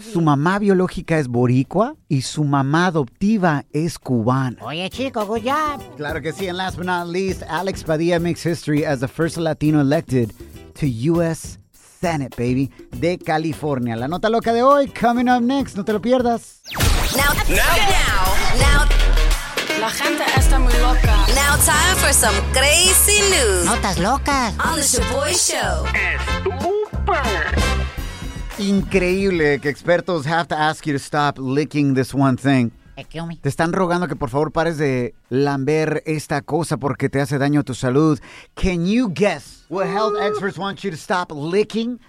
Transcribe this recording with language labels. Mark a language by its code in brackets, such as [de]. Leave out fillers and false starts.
[es] Su mamá biológica es boricua y su mamá adoptiva es cubana. Oye, chico, [en] good job. [es] Claro que sí. [en] And last but not least, Alex Padilla makes history as the first Latino elected to U.S. [es] Senate, baby, de California. La nota loca de hoy, [en] coming up next. [es] No te lo pierdas. [en] Now. [es] La gente está muy loca. [en] Now time for some crazy news. [es] Notas locas. [en] On the Shaboy Show. [es] Super. Increíble que expertos [en] have to ask you to stop licking this one thing. [es] Te están rogando que por favor pares de lamber esta cosa porque te hace daño a tu salud. [en] Can you guess what health experts want you to stop licking?